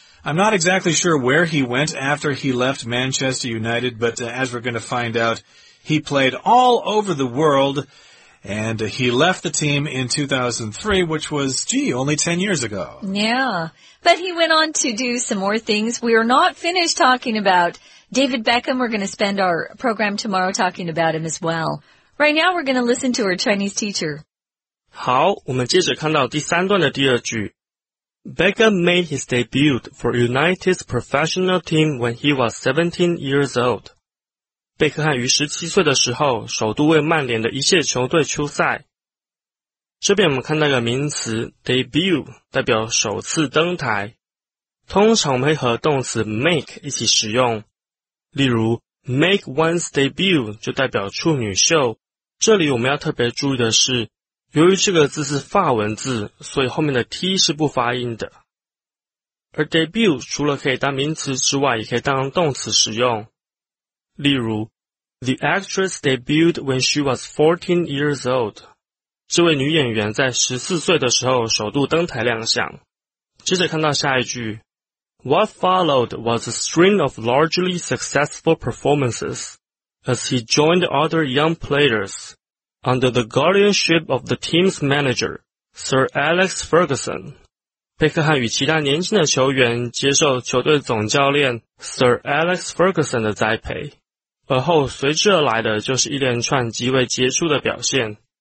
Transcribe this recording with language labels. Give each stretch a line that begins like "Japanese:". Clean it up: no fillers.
English: I'm not exactly sure where he went after he left Manchester United, but as we're going to find out, he played all over the world, and he left the team in 2003, which was, only 10 years ago. Yeah, but he went on to do some more things. We are not finished talking about David Beckham. We're going to spend our program tomorrow talking about him as well. Right now, we're going to listen to our Chinese teacher.
Chinese: 好，我们接着看到第三段的第二句。
English: Beckham made his debut for United's professional team when he was 17 years old.
Chinese: 贝克汉于17岁的时候首度为曼联的一线球队出赛。这边我们看到一个名词 debut 代表首次登台。通常我们会和动词 make 一起使用。例如
English: make one's debut
Chinese: 就代表处女秀。这里我们要特别注意的是，由于这个字是法文字，所以后面的 T 是不发音的。而 debut 除了可以当名词之外，也可以当动词使用。例如
English: The actress debuted when she was 14 years old.
Chinese: 这位女演员在14岁的时候首度登台亮相。接着看到下一句。
English: What followed was a string of largely successful performances as he joined other young players under the guardianship of the team's manager, Sir Alex Ferguson.
Chinese: 贝克汉与其他年轻的球员接受球队总教练 Sir Alex Ferguson 的栽培，而后随之而来的就是一连串极为杰出的表现。